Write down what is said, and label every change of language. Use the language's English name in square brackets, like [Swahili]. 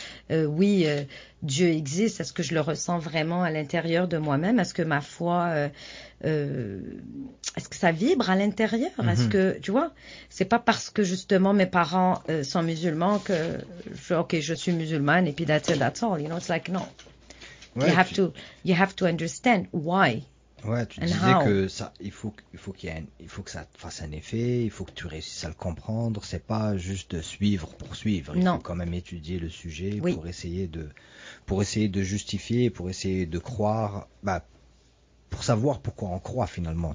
[French] Dieu existe. Est-ce que je le ressens vraiment à l'intérieur de moi-même? Est-ce que ma foi, est-ce que ça vibre à l'intérieur? Mm-hmm. Est-ce que, tu vois, c'est pas parce que justement mes parents sont musulmans que je suis musulmane et puis [English] that's all. You know, it's like, no. [French] Ouais, [English] you have to understand why. [French] Ouais, tu disais que ça, il faut que ça fasse un effet, il faut que tu réussisses à le comprendre. C'est pas juste suivre pour suivre. Non. Il faut quand même étudier le sujet oui. pour essayer de justifier, pour essayer de croire, pour savoir pourquoi on croit finalement.